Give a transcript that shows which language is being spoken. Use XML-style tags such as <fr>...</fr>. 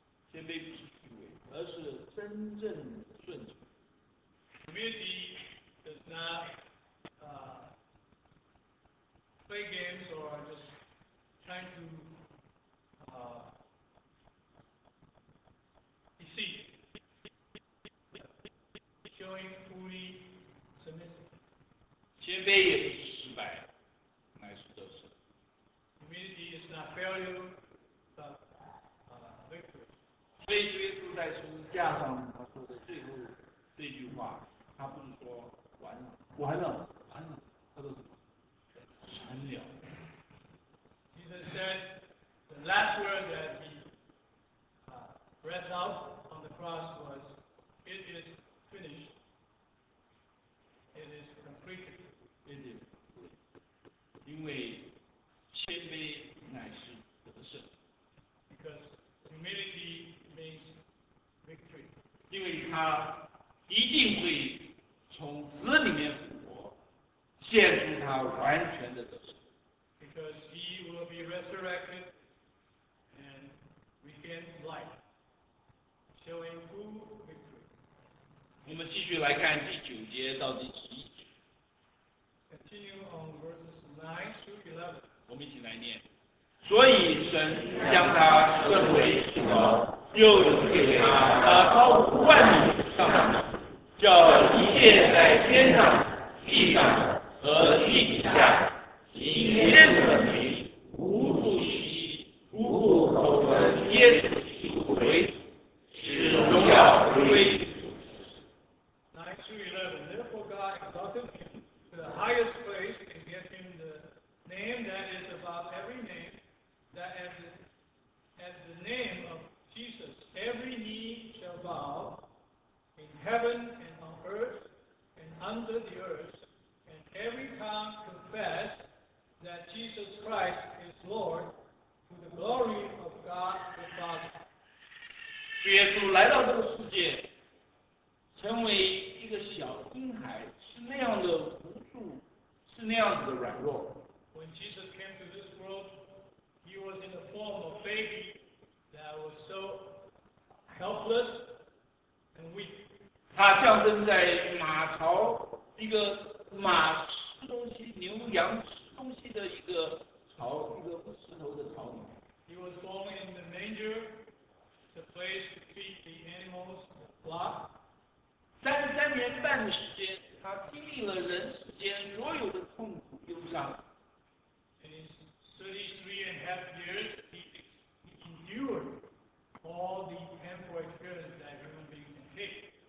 <zh>先被不是虚伪，而是真正的顺从。</zh> <en>Humility does not play games or just trying to deceive. Showing fully submissive.</en> <zh>谦卑也不是失败，乃是得胜。</zh> <en>Humility is not failure, but victory.</en> <zh>所以耶稣在十字架上他说的最后这句话，他不是说完了，完了，完了，他说什么？完了。</zh> <en>Jesus said the last word that he breathed out on the cross was, "It is finished. It is completed." It is.</en> <zh>因为谦卑乃是得胜。</zh> <en>Because humility means victory.</en> <zh>因为他一定会从死里面复活，显出他完全的得胜。</zh> <en>Because he will be resurrected and regain life, showing full victory.</en> <zh>我们继续来看第九节到第十一节。</zh> <en>Continue on verses 9 through 11.</en> <zh>我们一起来念。所以神将他升为至高，又给他打超万米上上，叫一切在天上、地上和地底下行耶稣的名，无不屈膝，无不叩问耶稣基督为使荣耀归于。</zh> <en>9 through 11. Therefore God exalted him to the highest place and gave him the name that is above every name, that as the name of Jesus, every knee shall bow in heaven and on earth and under the earth, and every tongue confess that Jesus Christ is Lord, to the glory of God the Father.</en> <zh>耶稣来到这个世界，成为一个小婴孩，是那样的无助，是那样的软弱。</zh> <en>When Jesus came to this world, he was in the form of a baby that was so helpless and weak.</en> <zh>他降生在马槽，一个马吃东西，牛羊吃东西的一个槽，一个石头的槽里面。</zh> <en>He was born in the manger, the place to feed the animals, the flock.</en> <zh>33年半的时间，他经历了人世间所有的痛苦忧伤。</zh> <en>In his 33.5 years, he endured all the painful experiences that human beings can take.</en>